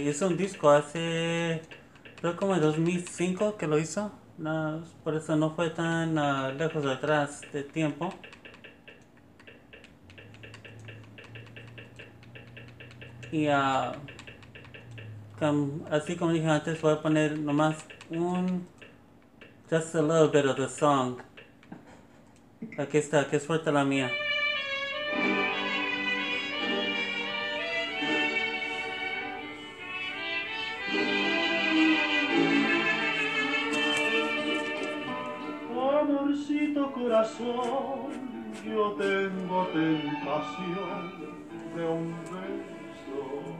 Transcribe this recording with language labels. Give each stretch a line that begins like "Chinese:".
Spanish: Hizo un disco hace, creo, como en 2005 que lo hizo. No, por eso no fue tan lejos de atrás de tiempo. Y así como dije antes, voy a poner nomás un...
English: Just a little bit of the song.
Spanish: Aquí está, que es fuerte la mía. Amorcito corazón, yo tengo tentación de un beso.